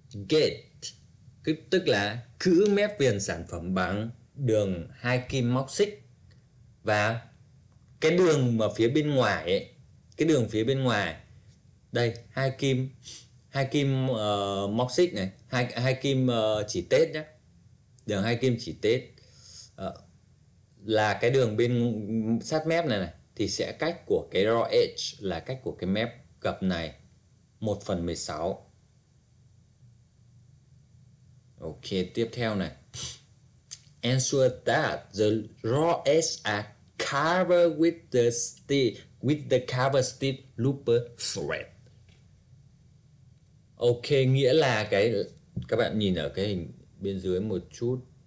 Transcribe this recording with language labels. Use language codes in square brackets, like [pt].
[vi] gate, tức là cứ mép viền sản phẩm bằng đường 2 kim móc xích, và cái đường mà phía bên ngoài ấy, cái đường phía bên ngoài đây, hai kim móc xích này, hai kim chỉ tết nhé, đường 2 kim chỉ tết là cái đường bên sát mép này này, thì sẽ cách của cái raw edge là cách của cái mép gập này 1/16. Ok, tiếp theo này. [en] Ensure that the raw edge are covered with the stitch, with the cover stitch looper thread. [vi] Ok, nghĩa là cái, các bạn nhìn ở cái hình bên dưới một chút.